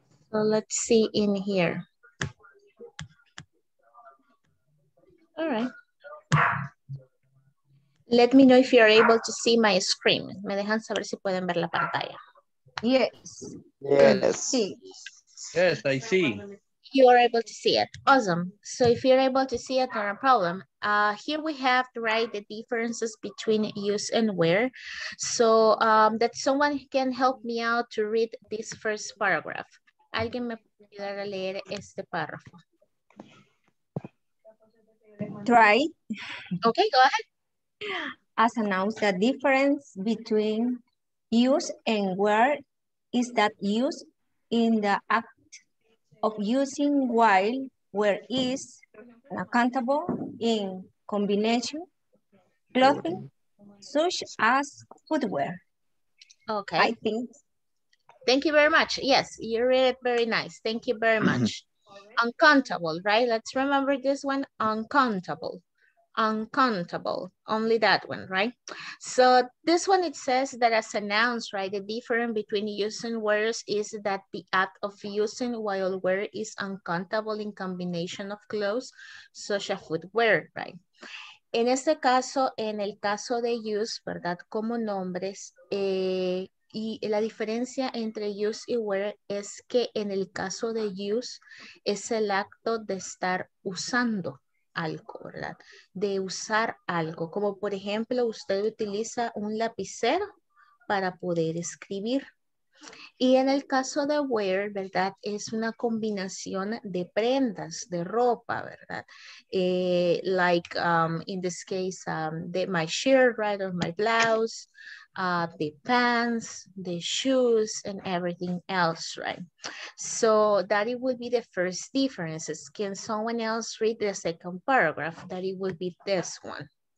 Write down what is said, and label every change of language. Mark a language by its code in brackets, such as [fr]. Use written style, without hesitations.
[en] So let's see in here. All right. Let me know if you're able to see my screen. [es] Me dejan saber si pueden ver la pantalla. [en] Yes. Yes. Yes, I see. You are able to see it. Awesome. So if you're able to see it, not a problem. Here we have, right, the differences between use and wear. So that someone can help me out to read this first paragraph. [es] Alguien me puede ayudar a leer este párrafo. [en] Try. Okay, go ahead. As announced, the difference between use and wear is that use in the act of using, while wear is accountable in combination clothing such as footwear. Okay. I think. Thank you very much. Yes, you read it very nice. Thank you very much. Uncountable, right? Let's remember this one, uncountable. uncountable, only that one, right? So this one, it says that as a noun, right, the difference between using words is that the act of using while wearing is uncountable in combination of clothes, such as footwear, right? [es] En este caso, en el caso de use, ¿verdad? Como nombres, y la diferencia entre use y wear es que en el caso de use es el acto de estar usando algo, ¿verdad? De usar algo. Como por ejemplo, usted utiliza un lapicero para poder escribir. Y en el caso de wear, ¿verdad? Es una combinación de prendas, de ropa, ¿verdad? [en] Like in this case, my shirt, right? Or my blouse, the pants, the shoes, and everything else, right? So that it would be the first difference. Can someone else read the second paragraph? That it would be this one.